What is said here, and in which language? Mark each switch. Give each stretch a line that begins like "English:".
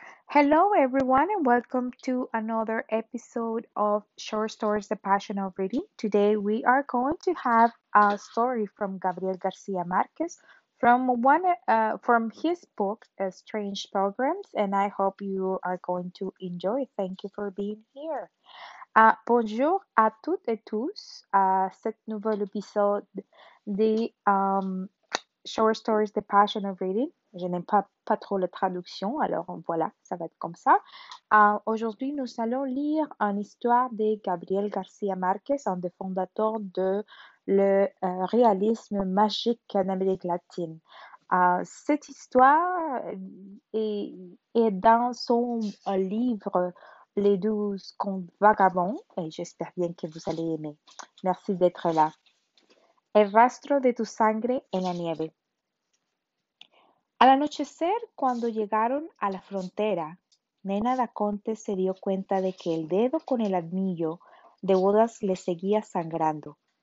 English: Hello, everyone, and welcome to another episode of Short Stories, The Passion of Reading. Today, we are going to have a story from Gabriel Garcia Marquez from his book, Strange Pilgrims, and I hope you are going to enjoy. Thank you for being here.
French: Bonjour à toutes et tous. Cet nouvel épisode de Short Stories, The Passion of Reading. Je n'aime pas trop la traduction, alors voilà, ça va être comme ça. Aujourd'hui, nous allons lire une histoire de Gabriel Garcia Marquez, un des fondateurs de le réalisme magique en Amérique latine. Cette histoire est dans son livre « Les douze contes vagabonds » et j'espère bien que vous allez aimer. Merci d'être là.
Spanish: El rastro de tu sangre en la nieve. Al anochecer, cuando llegaron a la frontera, Nena Daconte se dio cuenta de que el dedo con el anillo de bodas le seguía sangrando.